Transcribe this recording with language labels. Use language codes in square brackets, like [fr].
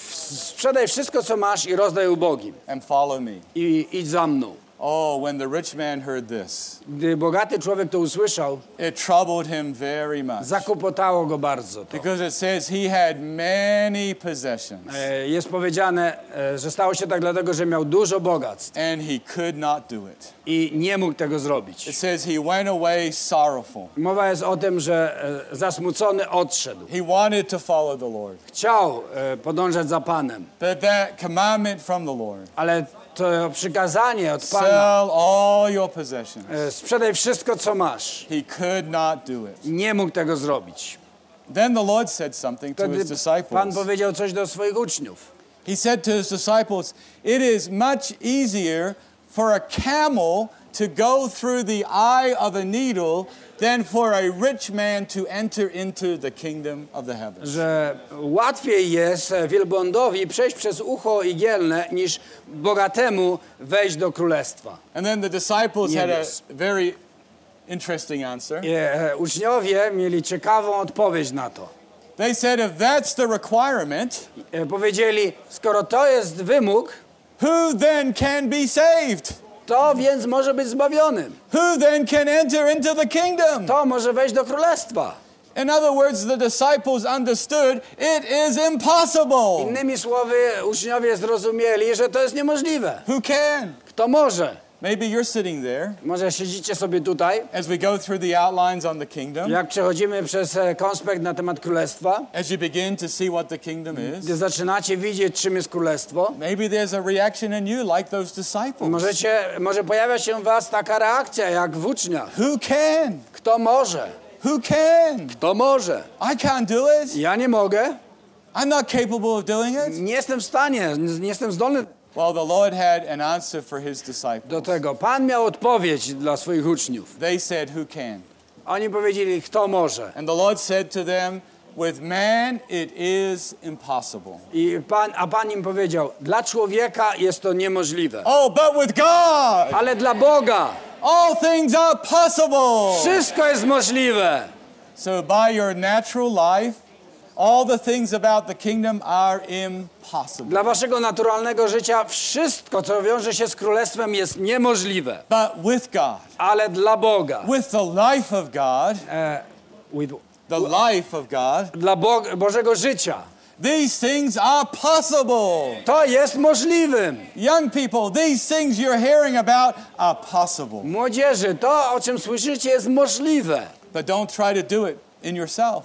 [pl] Sprzedaj wszystko, co masz i rozdaj ubogim. [en] And follow me. [pl] I idź za mną. [en] Oh, when the rich man heard this, [pl] gdy bogaty człowiek to usłyszał, [en] it troubled him very much. [pl] Zakłopotało go bardzo to. [en] Because it says he had many possessions. [pl] Jest powiedziane, że stało się tak dlatego, że miał dużo bogactw. [en] And he could not do it. [pl] I nie mógł tego zrobić. [en] It says he went away sorrowful. [pl] Mowa jest o tym, że zasmucony odszedł. [en] He wanted to follow the Lord. [pl] Chciał podążać za Panem. [en] But that commandment from the Lord. [pl] Ale to przykazanie od Pana. [en] Sell all your possessions. [pl] Sprzedaj wszystko, co masz. [en] He could not do it. [pl] Nie mógł tego zrobić. [en] Then the Lord said something to his disciples. [pl] Pan powiedział coś do swoich uczniów. [en] He said to his disciples, "It is much easier for a camel to go through the eye of a needle than for a rich man to enter into the kingdom of the heavens." [pl] Że łatwiej jest wielbłądowi przejść przez ucho igielne niż bogatemu wejść do królestwa. [en] And then the disciples had a very interesting answer. [pl] Uczniowie mieli ciekawą odpowiedź na to. [en] They said, if that's the requirement, [pl] powiedzieli, skoro to jest wymóg, [en] who then can be saved? [pl] To więc może być zbawionym. [en] Who then can enter into the kingdom? [pl] To może wejść do królestwa. [en] In other words, the disciples understood it is impossible. [pl] Innymi słowy, uczniowie zrozumieli, że to jest niemożliwe. [en] Who can? [pl] Kto może? [en] Maybe you're sitting there. [pl] Może siedzicie sobie tutaj. [en] As we go through the outlines on the kingdom. [pl] Jak przechodzimy przez konspekt na temat królestwa. [en] As you begin to see what the kingdom is. [pl] Gdy zaczynacie widzieć, czym jest królestwo. [en] Maybe there's a reaction in you like those disciples. [pl] Może pojawia się w was taka reakcja jak w uczniach. [en] Who can? [pl] Kto może? [en] Who can? [pl] Kto może? [en] I can't do it. [pl] Ja nie mogę. [en] I'm not capable of doing it. [pl] Nie jestem w stanie, nie jestem zdolny. [en] Well, the Lord had an answer for his disciples. [pl] Do tego Pan miał odpowiedź dla swoich uczniów. [en] They said, "Who can?" [pl] Oni powiedzieli, kto może? [en] And the Lord said to them, "With man it is impossible." [pl] I Pan, a Pan im powiedział, dla człowieka jest to niemożliwe. [en] Oh, but with God. [pl] Ale dla Boga. [en] All things are possible. [pl] Wszystko jest możliwe. [en] So by your natural life, all the things about the kingdom are impossible. [pl] Dla waszego naturalnego życia wszystko, co wiąże się z królestwem, jest niemożliwe. [en] But with God. [pl] Ale dla Boga. [en] With the life of God. The life of God. [pl] Dla Bożego życia. [en] These things are possible. [pl] To jest możliwe. [en] Young people, these things you're hearing about are possible. [pl] Młodzieży, to o czym słyszycie jest możliwe. [en] But don't try to do it in yourself.